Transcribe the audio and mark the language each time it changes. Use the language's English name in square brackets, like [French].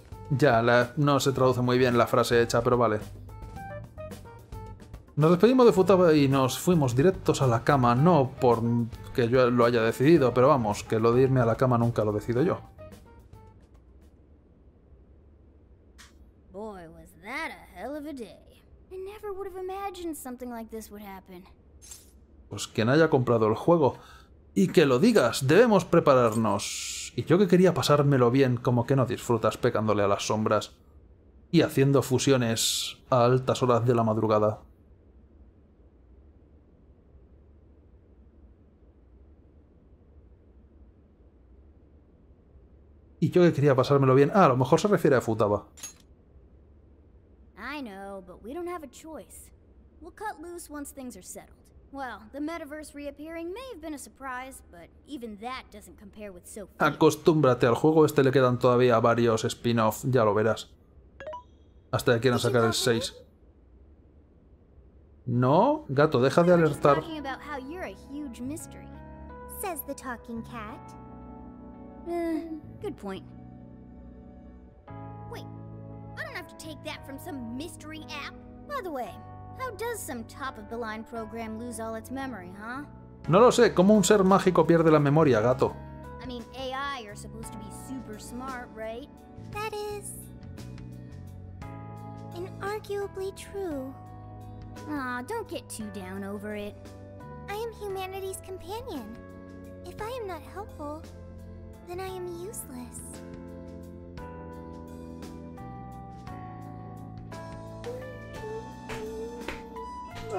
[Spanish] Ya, no se traduce muy bien la frase hecha, pero vale. Nos despedimos de Futaba y nos fuimos directos a la cama, no porque yo lo haya decidido, pero vamos, que lo de irme a la cama nunca lo decido yo. [English] Boy, was that a hell of a day. I never would have imagined something like this would happen. [Spanish] Pues quien haya comprado el juego, y que lo digas, debemos prepararnos. Y yo que quería pasármelo bien, como que no disfrutas pecándole a las sombras y haciendo fusiones a altas horas de la madrugada. Y yo que quería pasármelo bien. Ah, a lo mejor se refiere a Futaba. [English] I know, but we don't have a choice. We'll cut loose once things are settled. Well, the metaverse reappearing may have been a surprise, but even that doesn't compare with Sophia. [Spanish] Acostúmbrate al juego, este le quedan todavía varios spin-off, ya lo verás. Hasta que quieran sacar el 6. No, gato, deja de alertar. [English] Talking about how you're a huge mystery, says the talking cat. Good point. Wait, I don't have to take that from some mystery app. By the way, how does some top-of-the-line program lose all its memory, huh? [Spanish] No lo sé. ¿Cómo un ser mágico pierde la memoria, gato? [English] I mean, AI are supposed to be super smart, right? That is... inarguably true. Aw, don't get too down over it. I am humanity's companion. If I am not helpful, then I am useless.